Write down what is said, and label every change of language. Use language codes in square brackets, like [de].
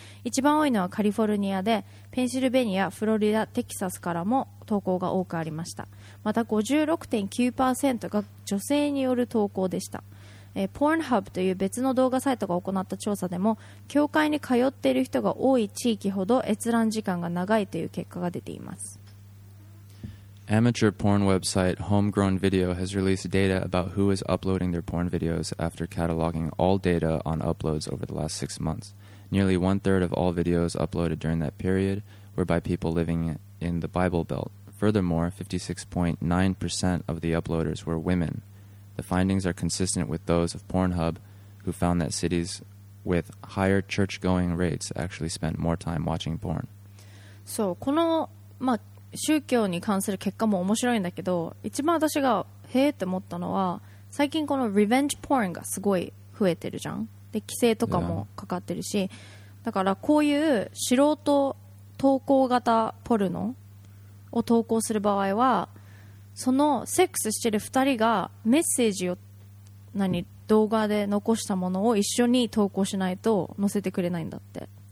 [ja] 一番多いのはカリフォルニアで、ペンシルベニア、フロリダ、テキサスからも投稿が多くありました。また 56.9% が女性による投稿でした。 Pornhub という別の動画サイトが行った調査でも、教会に通っている人が多い地域ほど閲覧時間が長いという結果が出ています。 [en] Amateur porn website Homegrown Video has released data about who is uploading their porn videos after cataloging all data on uploads over the last 6 months. Nearly one third of all videos uploaded during that period were by people living in the Bible Belt. Furthermore, 56.9% of the uploaders were women. The findings are consistent with those of Pornhub, who found that cities with higher church-going rates actually spent more time watching porn. So, [ja] この、まあ宗教に関する結果も面白いんだけど、一番私がへーって思ったのは、最近このリベンジポーンがすごい増えてるじゃん。で規制とかもかかってるし、だからこういう素人投稿型ポルノを投稿する場合は、そのセックスしてる2人がメッセージを何動画で残したものを一緒に投稿しないと載せてくれないんだって。